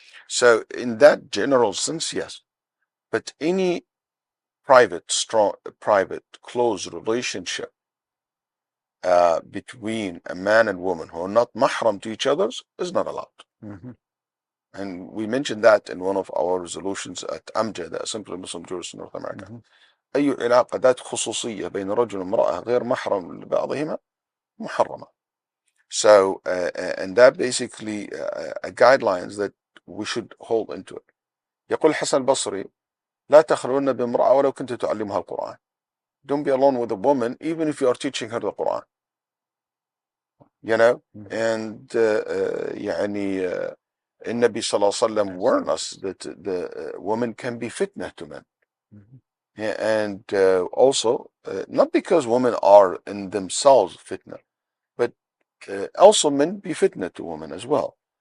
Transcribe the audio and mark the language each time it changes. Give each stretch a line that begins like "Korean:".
English: So in that general sense, yes. But any private, close relationship between a man and woman who are not mahram to each other is not allowed. Mm-hmm. And we mentioned that in one of our resolutions at AMJA, the Assembly of Muslim Jurists in North America.
Arabic: أي علاقة ذات خصوصية بين رجل ومرأة غير محرم لبعضهما محرمة.
English: So and that basically a guidelines that we should hold into it.
Arabic: يقول حسن البصري لا تخلون بامرأة ولو كنت تعلمها القرآن.
English: Don't be alone with a woman even if you are teaching her the Quran. You know, and
Arabic: يعني النبي صلى الله عليه وسلم
English: warned us that the woman can be fitna to men. Yeah, and also, not because women are in themselves fitna, but also men be fitna to women as well.